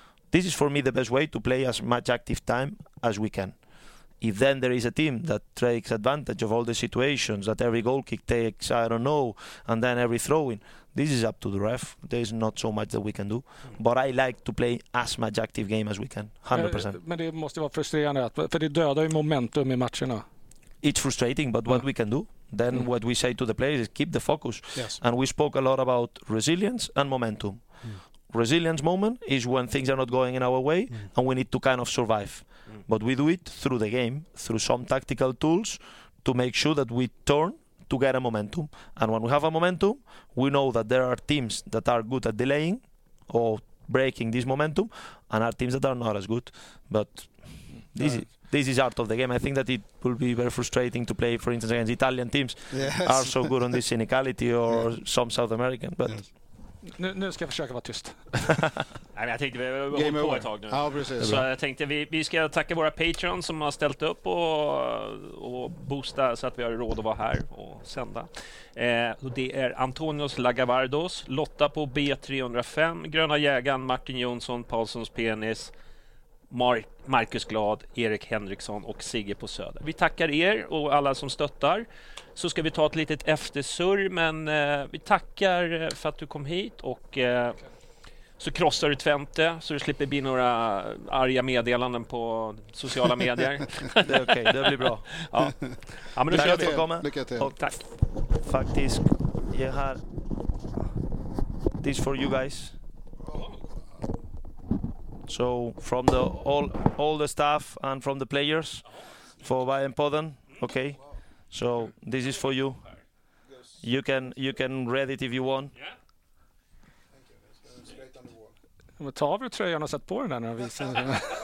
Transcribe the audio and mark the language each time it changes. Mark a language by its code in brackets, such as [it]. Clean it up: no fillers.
[en] This is, for me, the best way to play as much active time as we can. If then there is a team that takes advantage of all the situations, that every goal kick takes, I don't know, and then every throw-in, this is up to the ref. There's not so much that we can do. But I like to play as much active game as we can, 100%. [sv] Men det måste vara frustrerande, för det dödar ju momentum i matcherna. [en] It's frustrating, but what we can do, then what we say to the players is keep the focus. Yes. And we spoke a lot about resilience and momentum. Resilience moment is when things are not going in our way and we need to kind of survive. But we do it through the game, through some tactical tools to make sure that we turn to get a momentum. And when we have a momentum, we know that there are teams that are good at delaying or breaking this momentum and are teams that are not as good. But this is art of the game. I think that it will be very frustrating to play, for instance, against Italian teams are so good on this cynicality or some South American. But [sv] Nu ska jag försöka vara tyst. Nej, men jag tänkte vi håller på ett tag nu. Ja, precis. Så jag tänkte vi ska tacka våra patrons som har ställt upp och boosta så att vi har råd att vara här och sända. Och det är Antonios Lagavardos, Lotta på B305, Gröna Jägaren, Martin Jonsson, Paulsons Penis, Marcus Glad, Erik Henriksson och Sigge på Söder. Vi tackar er och alla som stöttar. Så ska vi ta ett litet eftersurr, men vi tackar för att du kom hit och så krossar du Twente så du slipper bli några arga meddelanden på sociala medier. Det är okej, det blir bra. Ja men då kör vi. Lycka till. Och tack. Faktiskt, jag har [en] this for you guys. So from the all the staff and from the players for Bayern Podden, okay. So this is for you. You can read it if you want. Yeah. Thank you. [sv] Ta av dig tröjan och sätt på den där när vi ser.